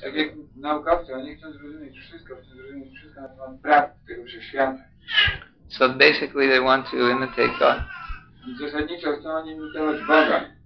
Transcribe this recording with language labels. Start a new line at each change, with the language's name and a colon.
Polish: Tak jak naukowcy, oni chcą zrozumieć wszystko, na temat praw tego wszechświata.
English: So basically they want to imitate God.
Polish: Zasadniczo chcą oni imitować Boga.